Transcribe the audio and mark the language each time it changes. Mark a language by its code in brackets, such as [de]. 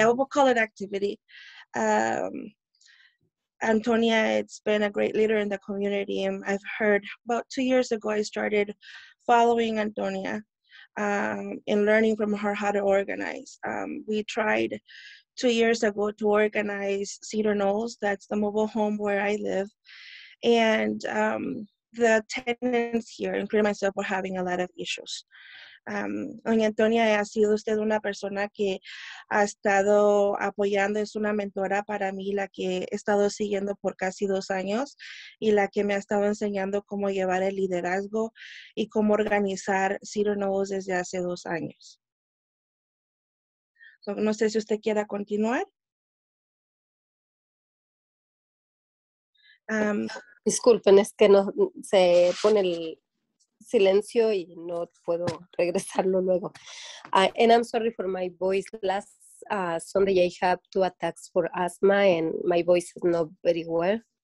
[en] I will call it activity. Antonia, it's been a great leader in the community, and I've heard about 2 years ago I started following Antonia and learning from her how to organize. We tried 2 years ago to organize Cedar Knolls, that's the mobile home where I live, and the tenants here, including myself, were having a lot of issues. [es] Doña Antonia, ha sido usted una persona que ha estado apoyando, es una mentora para mí, la que he estado siguiendo por casi 2 años y la que me ha estado enseñando cómo llevar el liderazgo y cómo organizar Cedar Knolls desde hace 2 años. [en] So, [es] no sé si usted quiera continuar. Disculpen, es que no se pone el silencio y no puedo regresarlo luego. [en] And I'm sorry for my voice. Last Sunday I had 2 attacks for asthma and my voice is not very well.